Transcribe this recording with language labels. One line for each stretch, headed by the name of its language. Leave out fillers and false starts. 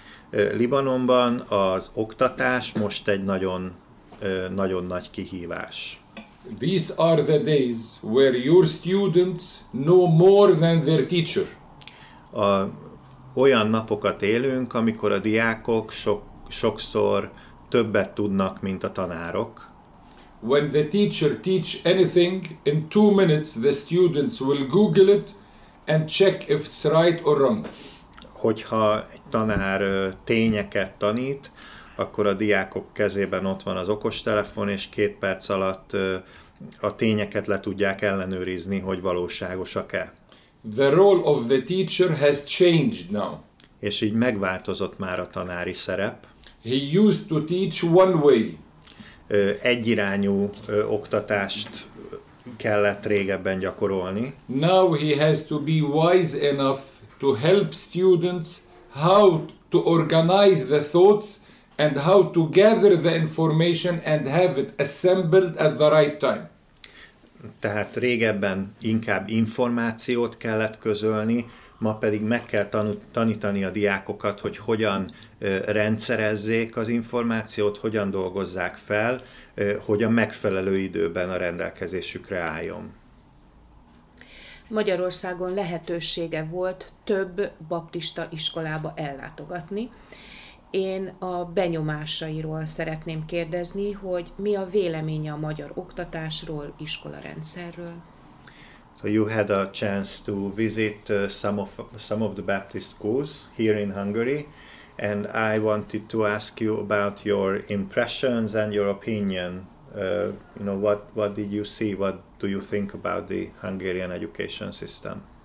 Hungarian: Libanonban az oktatás most egy nagyon nagyon nagy kihívás.
English: These are the days where your students know more than their teacher.
Hungarian: Olyan napokat élünk, amikor a diákok sokszor többet tudnak, mint a tanárok.
English: When the teacher teach anything, in 2 minutes the students will Google it and check if it's right or wrong.
Hungarian: Hogyha egy tanár tényeket tanít, akkor a diákok kezében ott van az okostelefon, és 2 perc alatt a tényeket le tudják ellenőrizni, hogy valóságosak-e.
English: The role of the teacher has changed now.
Hungarian: És így megváltozott már a tanári szerep.
English: He used to teach one way.
Hungarian: Egyirányú oktatást kellett régebben gyakorolni.
English: Now he has to be wise enough to help students how to organize the thoughts and how to gather the information and have it assembled at the right time.
Hungarian: Tehát régebben inkább információt kellett közölni, ma pedig meg kell tanítani a diákokat, hogy hogyan rendszerezzék az információt, hogyan dolgozzák fel, hogy a megfelelő időben a rendelkezésükre álljon. Magyarországon lehetősége volt több baptista iskolába ellátogatni. Én a benyomásairól szeretném kérdezni, hogy mi a véleménye a magyar oktatásról, iskolarendszerről?
English: So you had a chance to visit some of the Baptist schools here in Hungary, And I wanted to ask you about your impressions and your opinion. You know, what did you see? What do you think about the Hungarian education system?